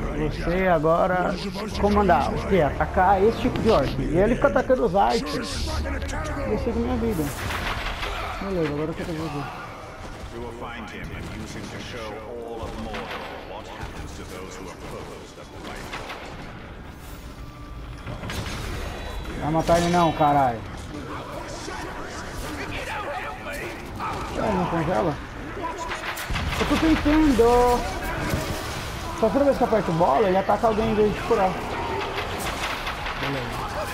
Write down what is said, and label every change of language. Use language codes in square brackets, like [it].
[pt] Você agora comandar, o que? Atacar esse tipo de orc. E ele fica atacando os archers. Esse é a minha vida. Beleza, agora o que eu vou fazer? [en] You will find him and use him to show all of Mordor what happens to those who oppose the right. [pt] Vai matar ele não, caralho. Ah, não congela? Eu tô tentando! Só toda vez que aperta o bola, ele ataca alguém em vez de curar. Beleza.